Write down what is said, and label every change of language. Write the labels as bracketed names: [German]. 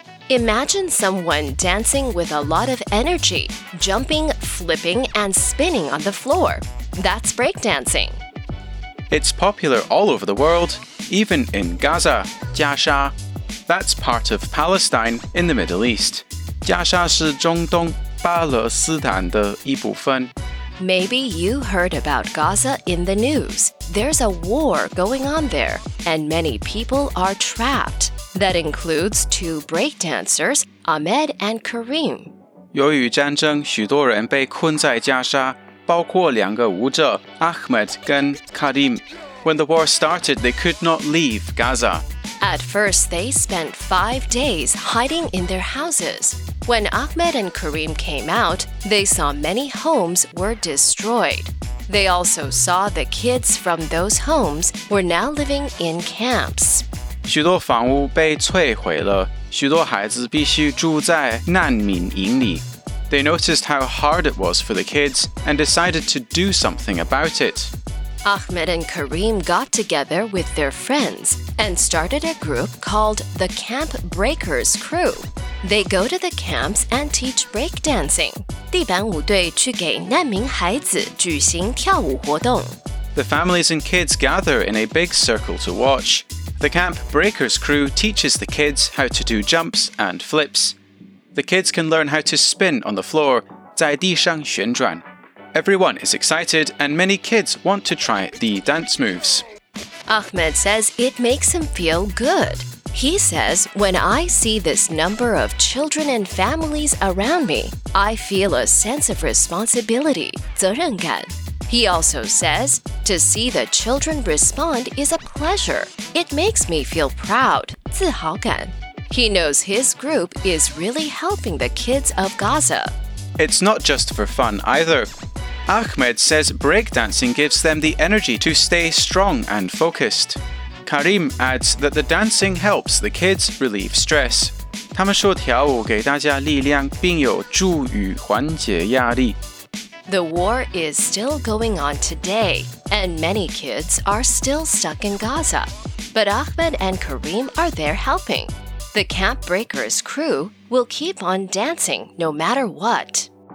[English] Imagine someone dancing with a lot of energy, jumping, flipping, and spinning on the floor. That's breakdancing. It's popular all over the world, even in Gaza, 加沙. That's part of Palestine in the Middle East. [Chinese] 加沙是中东巴勒斯坦的一部分。 [English] Maybe you heard about Gaza in the news. There's a war going on there, and many people are trapped. That includes two breakdancers, Ahmed and Karim. [Chinese] 由于战争，许多人被困在加沙，包括两个舞者 Ahmed 跟 Karim. [English] When the war started, they could not leave Gaza. At first, they spent 5 days hiding in their houses. When Ahmed and Karim came out, they saw many homes were destroyed. They also saw the kids from those homes were now living in camps. [Chinese] 许多房屋被摧毁了,许多孩子必须住在难民营里。 [English] They noticed how hard it was for the kids and decided to do something about it. Ahmed and Karim got together with their friends and started a group called the Camp Breakers Crew. They go to the camps and teach breakdancing. [Chinese] 地板舞队去给难民孩子举行跳舞活动。 [English] The families and kids gather in a big circle to watch. The Camp Breakers crew teaches the kids how to do jumps and flips. The kids can learn how to spin on the floor, [Chinese] 在地上旋转。 [English] Everyone is excited and many kids want to try the dance moves. Ahmed says it makes him feel good. He says, when I see this number of children and families around me, I feel a sense of responsibility, 责任感。 He also says, to see the children respond is a pleasure. It makes me feel proud, 自豪感。He knows his group is really helping the kids of Gaza. It's not just for fun either. Ahmed says breakdancing gives them the energy to stay strong and focused. Karim adds that the dancing helps the kids relieve stress. [Chinese] 他们说跳舞给大家力量并有助于缓解压力。 [English] The war is still going on today, and many kids are still stuck in Gaza. But Ahmed and Karim are there helping. The Camp Breakers crew will keep on dancing no matter what.